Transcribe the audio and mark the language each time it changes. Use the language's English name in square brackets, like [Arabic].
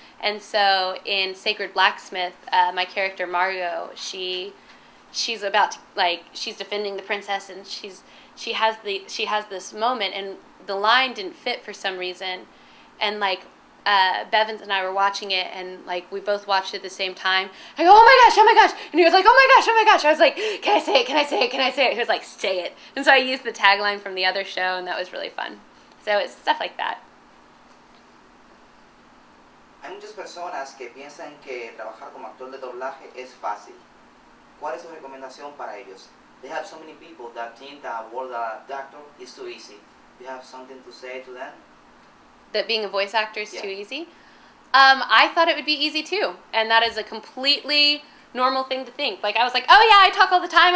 [English] And so in Sacred Blacksmith, my character, Margo, she's about to, like, she's defending the princess, and she has this moment, and the line didn't fit for some reason, and, like, Bevins and I were watching it, and, like, we both watched it at the same time. I go, oh my gosh, oh my gosh, and he was like, oh my gosh, oh my gosh. I was like, can I say it, can I say it, can I say it? He was like, say it. And so I used the tagline from the other show, and that was really fun. So it's stuff like that. [Spanish] Hay muchas personas que piensan que trabajar como actor de doblaje es fácil. [English] What is your recommendation for [Spanish] ellos? [English] They have so many people that think that world of doctor is too easy. Do you have something to say to them? That being a voice actor is yeah. too easy? I thought it would be easy too. And that is a completely normal thing to think. Like I was like, oh yeah, I talk all the time.